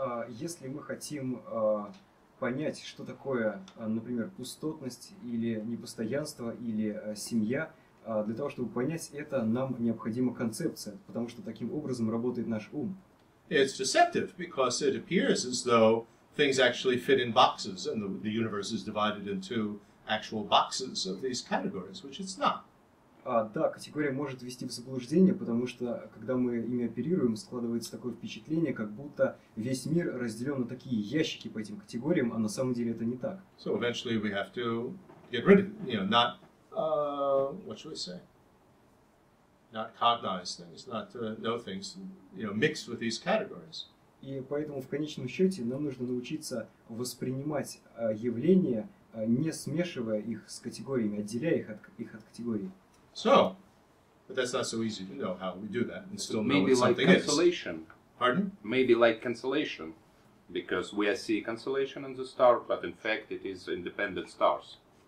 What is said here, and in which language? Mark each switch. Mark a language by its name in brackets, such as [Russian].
[Russian] если мы хотим понять, что такое, например, пустотность или непостоянство, или семья, для того, чтобы понять это, нам необходима концепция, потому что таким образом работает наш ум. [English] It's deceptive because it appears as though things actually fit in boxes and the universe is divided into actual boxes of these categories, which it's not. [Russian] Да, категория может ввести в заблуждение, потому что, когда мы ими оперируем, складывается такое впечатление, как будто весь мир разделен на такие ящики по этим категориям, а на самом деле это не так. [English] So eventually we have to get rid of, you know, not, what should we say? Not cognize things, not to know things, you know, mixed with these categories. [Russian] И поэтому в конечном счете нам нужно научиться воспринимать явления, не смешивая их с категориями, отделяя их от категории. [English] So, but that's not so easy to know how we do that and still know maybe what something like consolation. Is. Pardon? Maybe like consolation, because we see consolation in the star, but in fact it is independent stars.